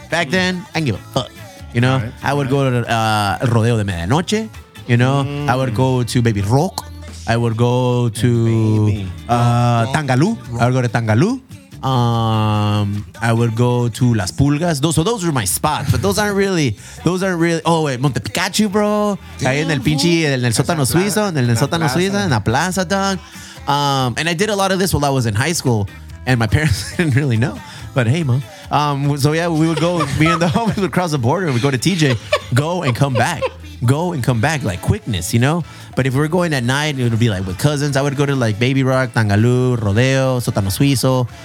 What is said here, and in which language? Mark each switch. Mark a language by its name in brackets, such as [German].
[English] Back then, I didn't give a fuck. You know, I would go to Rodeo de Medianoche. You know, I would go to Baby Rock. I would go to Tangalú. I would go to Tangalú. I would go to Las Pulgas. Those were my spots, but those aren't really. Oh wait, Monte Picacho, bro. [Spanish] Ahí en el pinche, en el sótano suizo, en el sótano suizo, en la plaza, dog. [English] And I did a lot of this while I was in high school, and my parents didn't really know. But hey, mom, So yeah, we would go, me and the homies would cross the border, we'd go to TJ, go and come back, like quickness, you know? But if we were going at night, it would be like with cousins, I would go to like Baby Rock, Tangalú, Rodeo, Sotano Suizo.